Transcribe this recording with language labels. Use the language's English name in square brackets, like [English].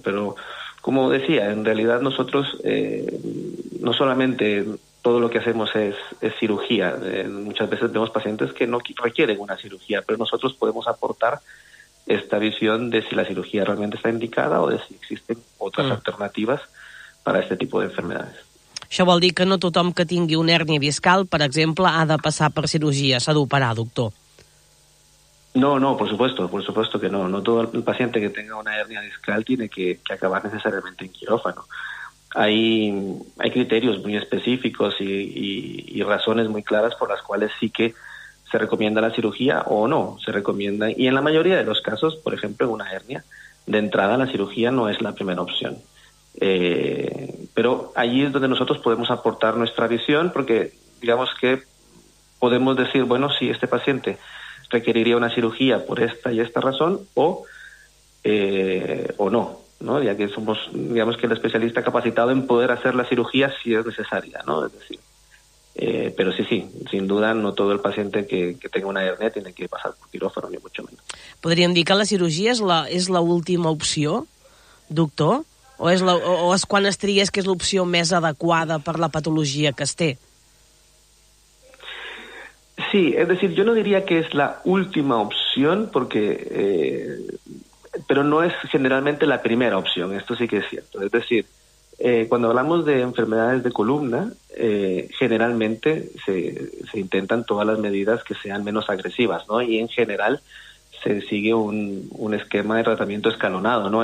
[Spanish] Pero, como decía, en realidad nosotros no solamente todo lo que hacemos es cirugía. Muchas veces vemos pacientes que no requieren una cirugía, pero nosotros podemos aportar esta visión de si la cirugía realmente está indicada o de si existen otras alternativas para este tipo de enfermedades. [Catalan] Això vol dir que no tothom que tingui una hèrnia discal, per exemple, ha de passar per cirurgia, s'ha d'operar, doctor? [Spanish] No, por supuesto que no. No todo el paciente que tenga una hernia discal tiene que acabar necesariamente en quirófano. Hay criterios muy específicos y razones muy claras por las cuales sí que se recomienda la cirugía o no se recomienda. Y en la mayoría de los casos, por ejemplo, en una hernia, de entrada la cirugía no es la primera opción. Pero allí es donde nosotros podemos aportar nuestra visión, porque digamos que podemos decir, bueno, sí, este paciente requeriría una cirugía por esta y esta razón o no. ¿No? Ya que somos, digamos, que el especialista capacitado en poder hacer la cirugía si es necesaria, ¿no? Es decir, pero sí, sin duda no todo el paciente que tenga una hernia tiene que pasar por quirófano, ni mucho menos. [Catalan] Podríem dir que la cirurgia és la última opció, doctor? O és quan es tria que és l'opció més adequada per la patologia que es té? [Spanish] Sí, es decir, yo no diría que es la última opción porque... Pero no es generalmente la primera opción, esto sí que es cierto. Es decir, cuando hablamos de enfermedades de columna, generalmente se intentan todas las medidas que sean menos agresivas, ¿no? Y en general se sigue un esquema de tratamiento escalonado, ¿no?